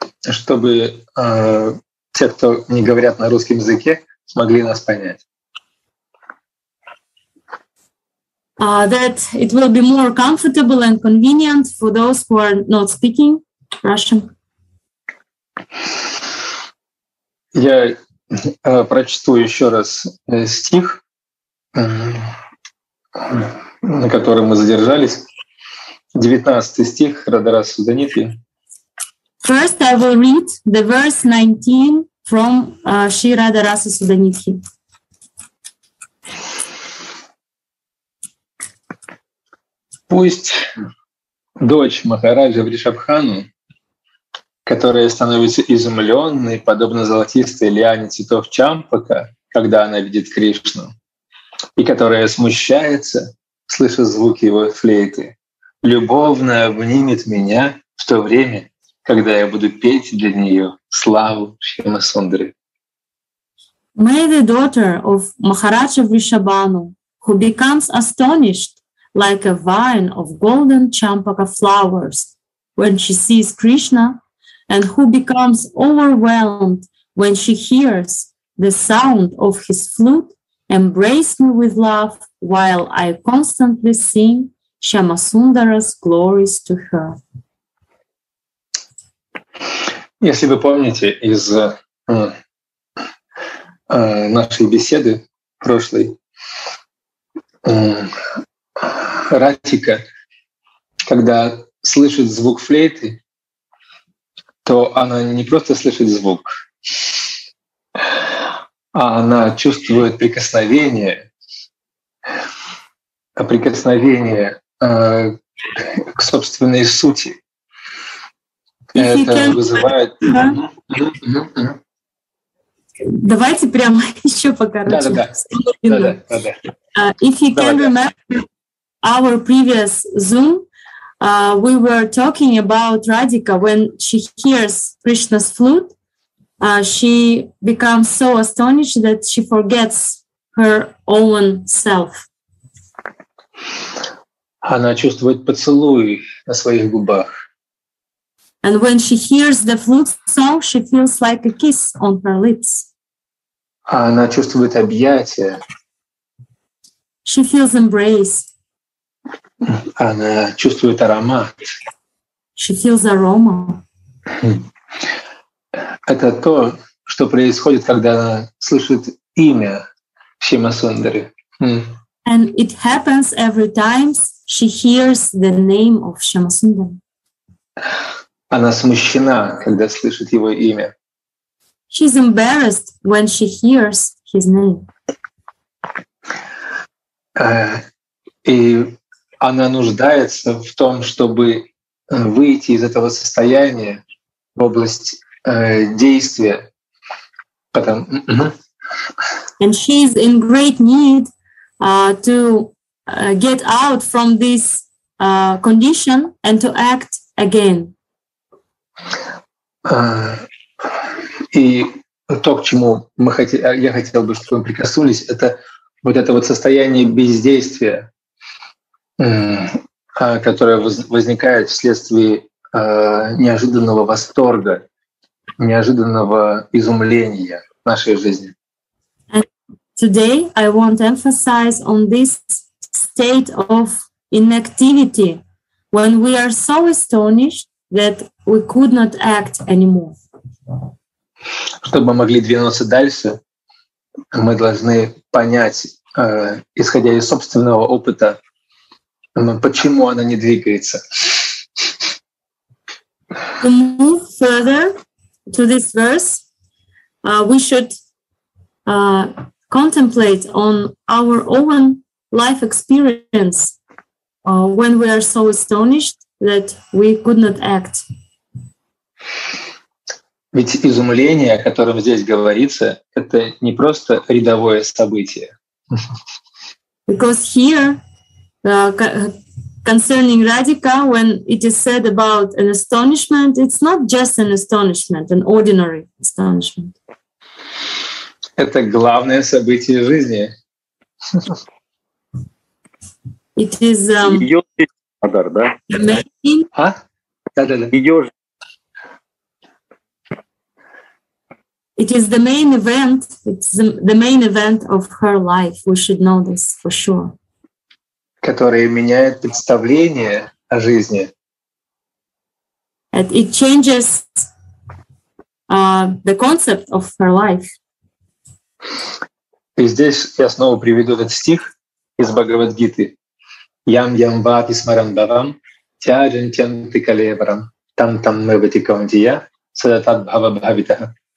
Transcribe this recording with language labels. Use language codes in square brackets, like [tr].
[ru] Чтобы те, кто не говорят на русском языке, смогли нас понять. [en] That it will be more comfortable and convenient for those who are not speaking Russian. [ru] Я прочту еще раз стих, на котором мы задержались. 19 стих Радарасу Даниты. [en] First I will read the verse 19. From Shri Radharasa Sudhanidhi. [ru] Пусть дочь Махараджа Вришабхану, которая становится изумленной, подобно золотистой лиане цветов Чампака, когда она видит Кришну, и которая смущается, слыша звук его флейты, любовно обнимет меня в то время, когда я буду петь для нее славу Шьяма Сундры. [en] May the daughter of Maharaja Vrishabhanu, who becomes astonished like a vine of golden champaka flowers when she sees Krishna, and who becomes overwhelmed when she hears the sound of his flute, embrace me with love while I constantly sing Shyama Sundara's glories to her. [ru] Если вы помните из нашей беседы прошлой, Ратика, когда слышит звук флейты, то она не просто слышит звук, а она чувствует прикосновение к собственной сути. Давайте прямо еще покороче. [en] If you can remember our previous Zoom, we were talking about Radhika. When she hears Krishna's flute, she becomes so astonished that she forgets her own self. [ru] Она чувствует поцелуй на своих губах. [en] And when she hears the flute song, she feels like a kiss on her lips. [ru] Она чувствует объятия. [en] She feels embrace. [ru] Она чувствует аромат. [en] She feels aroma. [ru] Это то, что происходит, когда она слышит имя Шьяма Сундары. [en] And it happens every time she hears the name of Шьяма Сундара. [ru] Она смущена, когда слышит его имя. [en] She's embarrassed when she hears his name. [ru] И она нуждается в том, чтобы выйти из этого состояния в область действия. [en] And she's in great need to get out from this condition and to act again. [ru] И то, к чему мы хотели, я хотел бы, чтобы мы прикоснулись, это вот это вот состояние бездействия, которое возникает вследствие неожиданного восторга, неожиданного изумления в нашей жизни. [en] And today I want to emphasize on this state of inactivity when we are so astonished that we could not act anymore. [ru] Чтобы мы могли двинуться дальше, мы должны понять, исходя из собственного опыта, почему она не двигается. [en] To move further to this verse, we should contemplate on our own life experience when we are so astonished that we could not act. [ru] Ведь изумление, о котором здесь говорится, это не просто рядовое событие. [en] Because here, concerning Radhika, when it is said about an astonishment, it's not just an astonishment, an ordinary astonishment. [ru] Это главное событие жизни. [en] It is [ru] её подар, да? Да-да-да. [en] It is the main event. It's the main event of her life. We should know this for sure. [ru] Которая меняет представление о жизни. [en] And it changes the concept of her life. [ru] И здесь я снова приведу этот стих из Бхагавад-гиты. [sa] Ям ям вати смарам бхавам, тяжен тян тикалеварам, там там мы вати кандия, садатад бхава бхавита.